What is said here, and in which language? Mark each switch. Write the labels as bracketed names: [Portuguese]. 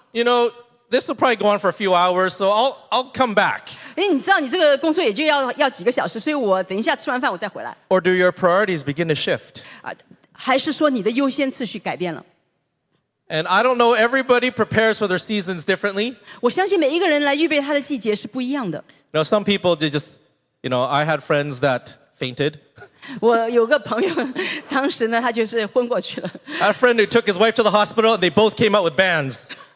[English] You know, this will probably go on for a few hours, so I'll come back. [Chinese] 你知道你这个工作也就要几个小时，所以我等一下吃完饭我再回来。 [English] Or do your priorities begin to shift? [Chinese] 还是说你的优先次序改变了。And [English] I don't know, everybody prepares for their seasons differently. [Chinese] 我相信每一个人来预备他的季节是不一样的。Now [English] some people, they just, you know, I had friends that fainted. [Chinese] 我有个朋友，当时呢，他就是昏过去了。A [English] friend who took his wife to the hospital, and they both came out with bands.